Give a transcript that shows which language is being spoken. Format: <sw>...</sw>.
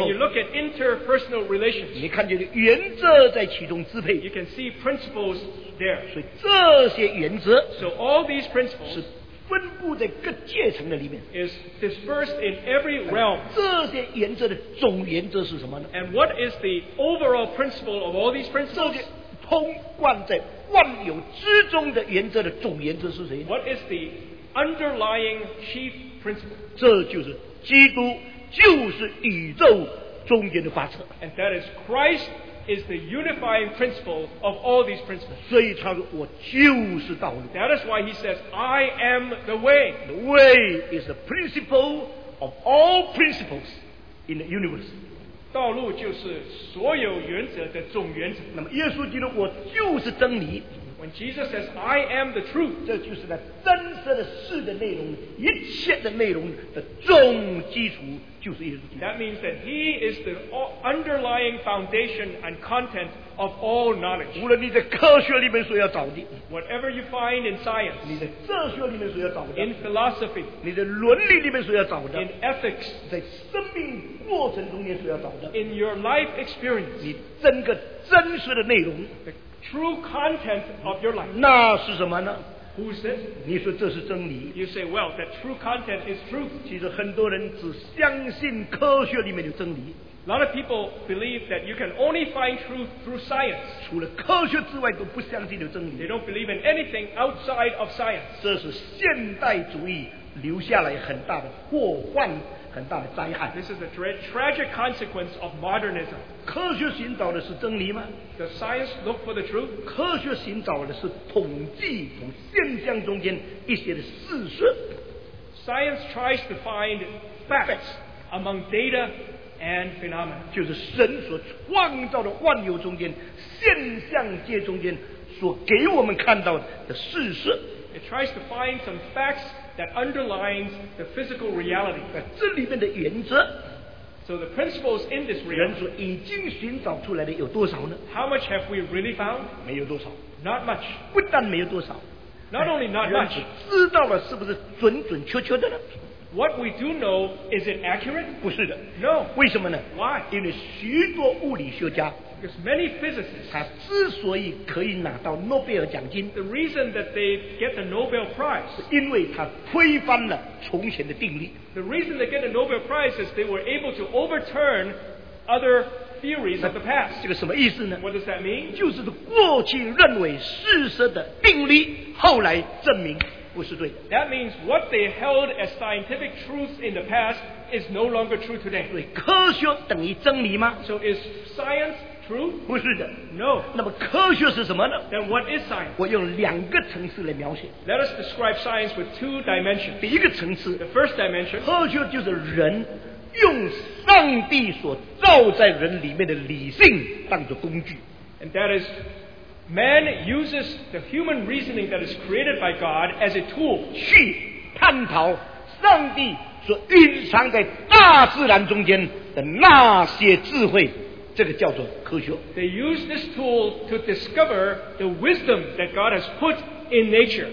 <en>when you look at interpersonal relations，</en> <zh>你看见原则在其中支配，</zh> <en>you can see principles there，</en> <zh>所以这些原则，</zh> <en>so all these principles</en> <zh>是分布在各阶层的里面，</zh> <en>is dispersed in every realm。</en> <zh>这些原则的总原则是什么呢？</zh> <en>And what is the overall principle of all these principles？</en> <zh>这些通贯在万有之中的原则的总原则是谁？</zh> <en>What is the underlying chief principle？</en> <zh>这就是基督，就是宇宙中间的法则。</zh> <en>And that is Christ is the unifying principle of all these principles.</en> <zh>所以他说我就是道路。</zh> <en>That is why he says, I am the way. The way is the principle of all principles in the universe.</en> <zh>道路就是所有原则的总原则。那么耶稣基督我就是真理。</zh> <en>When Jesus says, I am the truth,</en> <zh>这就是那真实的事的内容，一切的内容的总基础。</zh> <en>That means that he is the underlying foundation and content of all knowledge.</en> <zh>无论你在科学里面所要找的，</zh> <en>whatever you find in science,</en> <zh>你在哲学里面所要找的，</zh> <en>in philosophy,</en> <zh>你在伦理里面所要找的，</zh> <en>in ethics,</en> <zh>在生命过程中间所要找的，</zh> <en>in your life experience,</en> <zh>你整个真实的内容，</zh> <en>the true content of your life,</en> <zh>那是什么呢？</zh> <en>Who says?</en> <zh>你说这是真理。</zh> <en>You say, well, that true content is truth.</en> <zh>其实很多人只相信科学里面有真理。</zh> <en>A lot of people believe that you can only find truth through science.</en> <zh>除了科学之外都不相信有真理。</zh> <en>They don't believe in anything outside of science.</en> <zh>这是现代主义留下来很大的祸患，很大的灾害。</zh> <en>This is a tragic consequence of modernism.</en> <zh>科学寻找的是真理吗？</zh> <en>Does science look for the truth?</en> <zh>科学寻找的是统计，从现象中间一些的事实。</zh> <en>Science tries to find facts among data and phenomena.</en> <zh>就是神所创造的万有中间，现象界中间所给我们看到的事实。</zh> <en>It tries to find some facts that underlines the physical reality.</en> <zh>这里面的原则，</zh> <en>so the principles in this reality,</en> <zh>原则已经寻找出来的有多少呢？</zh> <en>How much have we really found?</en> <zh>没有多少。</zh> <en>Not much.</en> <zh>不但没有多少，</zh> <en>Not only not much,</en> <zh>知道了是不是准准确确的呢？</zh> <en>What we do know, is it accurate?</en> <zh>不是的。</zh> <en>No.</en> <zh>为什么呢？</zh> <en>Why?</en> <zh>因为许多物理学家，</zh> <en>because many physicists,</en> <zh>他之所以可以拿到诺贝尔奖金，</zh> <en>the reason that they get the Nobel Prize,</en> <zh>是因为他推翻了从前的定律。</zh> <en>The reason they get the Nobel Prize is they were able to overturn other theories of the past.</en> <zh>这个什么意思呢？</zh> <en>What does that mean?</en> <zh>就是过去认为事实的定律，后来证明不是对。</zh> <en>That means what they held as scientific truth in the past is no longer true today.</en> <zh>所以科学等于真理吗？</zh> <en>So is science true?</en> <zh>不是的。</zh> <en>No.</en> <zh>那么科学是什么呢？</zh> <en>Then what is science?</en> <zh>我用两个层次来描写。</zh> <en>Let us describe science with two dimensions.</en> <zh>第一个层次，</zh> <en>The first dimension,</en> <zh>科学就是人用上帝所造在人里面的理性当作工具。</zh> <en>And that isMan uses the human reasoning that is created by God as a tool</en> <zh>去探讨上帝所蕴藏在大自然中间的那些智慧，这个叫做科学。</zh> <en>They use this tool to discover the wisdom that God has put in nature.</en>